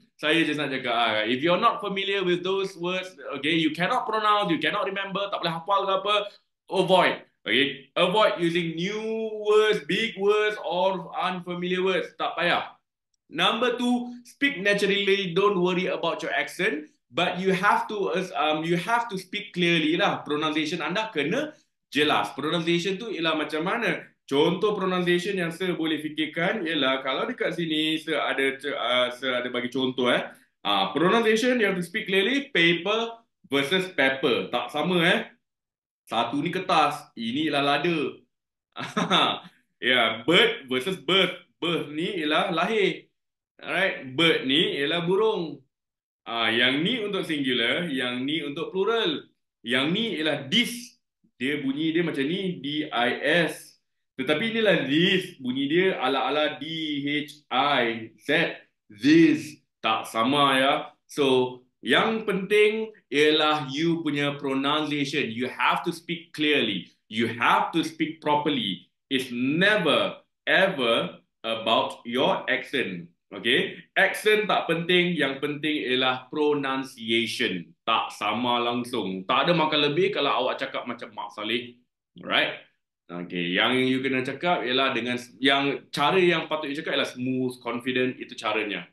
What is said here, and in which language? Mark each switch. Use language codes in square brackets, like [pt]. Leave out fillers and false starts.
[ms] Saya just nak cakap, [en] if you're not familiar with those words, okay, you cannot pronounce, you cannot remember, [ms] tak boleh hafal ke apa, [en] avoid. Okay, avoid using new words, big words or unfamiliar words. [ms] Tak payah. [en] Number 2, speak naturally. Don't worry about your accent. But you have to speak clearly lah. [ms] Pronunciation anda kena jelas. Pronunciation tu ialah macam mana? Contoh pronunciation yang saya boleh fikirkan ialah kalau dekat sini saya ada bagi contoh pronunciation [en] you have to speak clearly, paper versus pepper. [ms] Tak sama eh. Satu ni kertas, ini ialah lada. [en] Yeah, bird versus birth. [ms] Birth ni ialah lahir. Alright, bird ni ialah burung. Yang ni untuk singular, yang ni untuk plural. Yang ni ialah this. Dia bunyi dia macam ni, D-I-S. Tetapi inilah this. Bunyi dia ala-ala D-H-I-Z. This. Tak sama ya. So, yang penting ialah you punya pronunciation. [en] You have to speak clearly. You have to speak properly. It's never, ever about your accent. [ms] Okay, accent tak penting, yang penting ialah pronunciation. Tak sama langsung. Tak ada makan lebih kalau awak cakap macam Mak Saleh. Alright. Okay, yang you kena cakap ialah dengan yang cara yang patut you cakap ialah [en] smooth, confident, [ms] itu caranya.